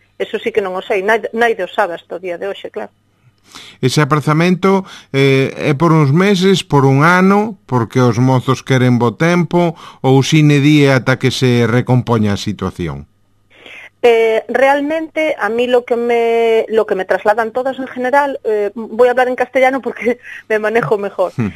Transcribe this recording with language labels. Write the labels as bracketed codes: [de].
[gl] Eso sí que non o sei, naide o sabe hasta o día de hoxe, claro. Ese aprazamento é por uns meses, por un ano, porque os mozos queren bo tempo, ou sine die ata que se recompoña a situación? [es] Realmente, a mí lo que me trasladan todas en general, voy a hablar en castellano porque me manejo mejor.